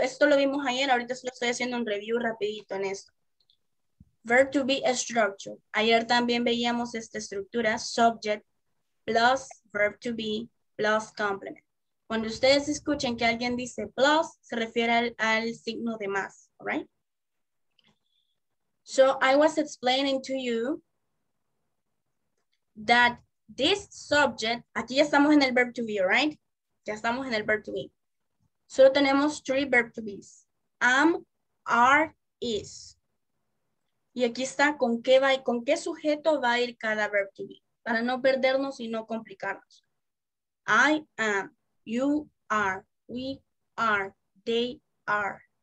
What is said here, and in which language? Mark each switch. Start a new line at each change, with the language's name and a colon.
Spanish: Esto lo vimos ayer, ahorita solo estoy haciendo un review rapidito en esto.
English: Verb to be structure.
Spanish: Ayer también veíamos esta estructura,
English: subject plus verb to be plus complement.
Spanish: Cuando ustedes escuchen que alguien dice plus, se refiere al signo de más, all right?
English: So I was explaining to you that this subject,
Spanish: aquí ya estamos en el
English: verb to be, right?
Spanish: Ya estamos en el verb to be. Solo tenemos three verb to be's.
English: Am, are, is.
Spanish: Y aquí está con qué sujeto va a ir cada verb to be. Para no perdernos y no complicarnos.
English: I am, you are, we are, they are.